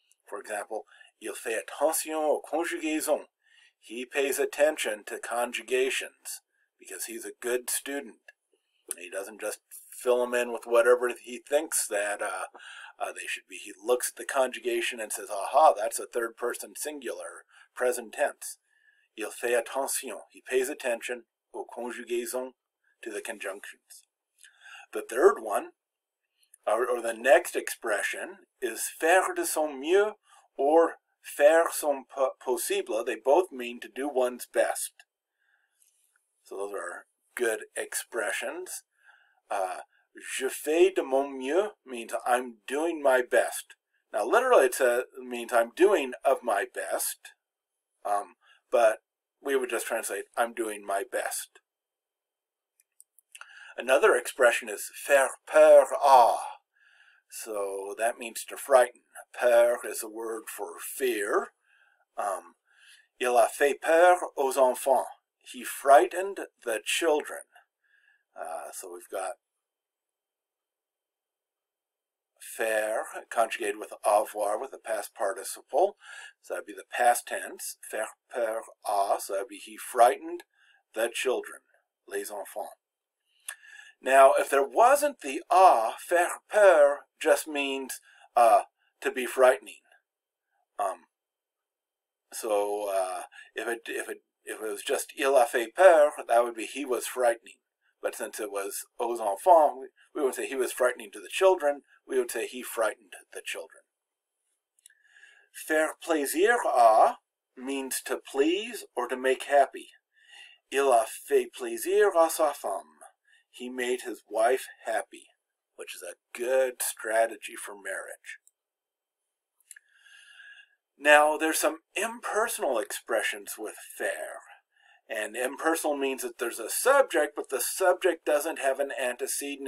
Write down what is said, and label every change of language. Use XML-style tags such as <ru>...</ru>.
<fr>For example, il fait attention aux conjugaisons.</fr> <en>He pays attention to conjugations because he's a good student. He doesn't just fill them in with whatever he thinks that they should be. He looks at the conjugation and says, aha, that's a third person singular, present tense.</en> <fr>Il fait attention.</fr> <en>He pays attention</en> <fr>aux conjugaisons,</fr> <en>to the conjunctions. The third one, Or the next expression is</en> <fr>faire de son mieux</fr> <en>or</en> <fr>faire son possible.</fr> <en>They both mean to do one's best. So those are good expressions.</en> <fr>Je fais de mon mieux</fr> <en>means I'm doing my best. Now, literally, it means I'm doing of my best, but we would just translate, I'm doing my best. Another expression is</en> <fr>faire peur à.</fr> <en>So that means to frighten. Peur is a word for fear.</en> <fr>Il a fait peur aux enfants.</fr> <en>He frightened the children. So we've got faire, conjugated with avoir, with a past participle. So that'd be the past tense.</en> <fr>Faire peur à.</fr> <en>So that'd be he frightened the children.</en> <fr>Les enfants.</fr> <en>Now, if there wasn't the à, faire peur just means to be frightening. So if it was just</en> <fr>il a fait peur,</fr> <en>that would be he was frightening. But since it was</en> <fr>aux enfants,</fr> <en>we wouldn't say he was frightening to the children. We would say he frightened the children.</en> <fr>Faire plaisir à</fr> <en>means to please or to make happy.</en> <fr>Il a fait plaisir à sa femme.</fr> <en>He made his wife happy, which is a good strategy for marriage. Now, there's some impersonal expressions with faire. And impersonal means that there's a subject, but the subject doesn't have an antecedent.</en>